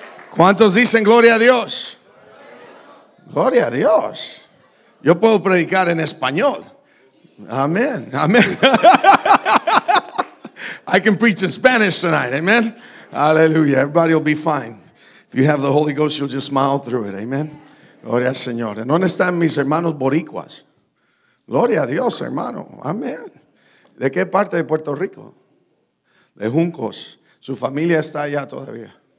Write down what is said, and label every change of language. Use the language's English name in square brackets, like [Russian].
[Spanish] ¿Cuántos dicen gloria a Dios? Gloria a Dios. Yo puedo predicar en español. Amén, amén. [English] I can preach in Spanish tonight, amen. Aleluya, everybody will be fine. If you have the Holy Ghost, you'll just smile through it, amen. [Spanish] Gloria al Señor. ¿En dónde están mis hermanos boricuas? Gloria a Dios, hermano, amén. ¿De qué parte de Puerto Rico? De Juncos, su familia está allá todavía.